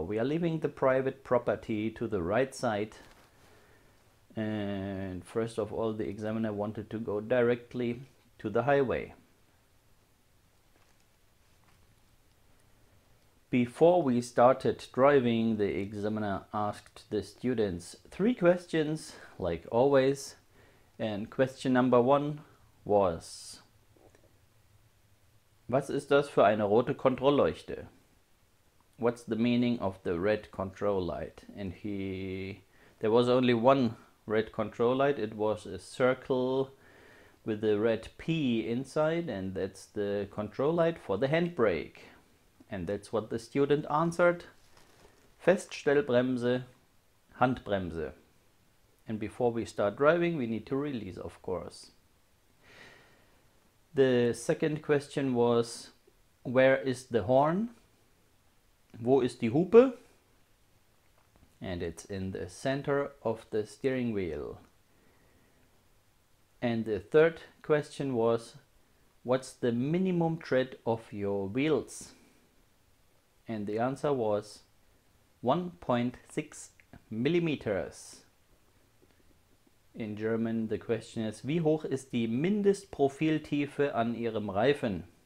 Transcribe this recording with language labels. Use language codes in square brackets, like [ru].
[en] We are leaving the private property to the right side. And first of all, the examiner wanted to go directly to the highway. Before we started driving, the examiner asked the students three questions, like always. And question number one was: [de] Was ist das für eine rote Kontrollleuchte? [en] What's the meaning of the red control light? And there was only one red control light. It was a circle with a red P inside, and that's the control light for the handbrake. And that's what the student answered. [de] Feststellbremse, Handbremse. [en] And before we start driving, we need to release, of course. The second question was, where is the horn? [de] Wo ist die Hupe? [en] And it's in the center of the steering wheel. And the third question was, what's the minimum tread of your wheels? And the answer was 1.6 millimeters. In German, the question is: [de] Wie hoch ist die Mindestprofiltiefe an Ihrem Reifen?